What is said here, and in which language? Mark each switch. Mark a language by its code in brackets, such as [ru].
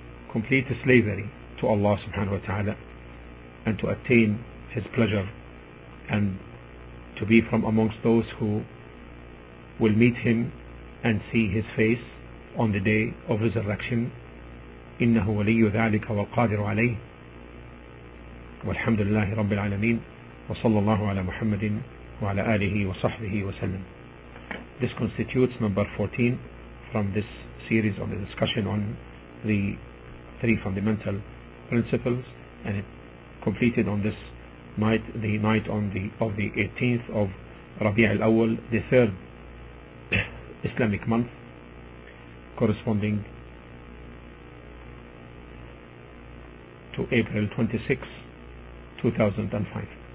[en] complete slavery to Allah subhanahu wa ta'ala, and to attain His pleasure and to be from amongst those who will meet Him and see His face on the day of resurrection. [ar] إنه ولي ذلك والقادر عليه. والحمد لله رب العالمين وصلى الله على محمد وعلى آله وصحبه وسلم. [en] This constitutes number 14 from this series of the discussion on the three fundamental principles, and it completed on this night, the night on the of the 18th of Rabi' al-Awwal, the third Islamic month, corresponding to April 26, 2005.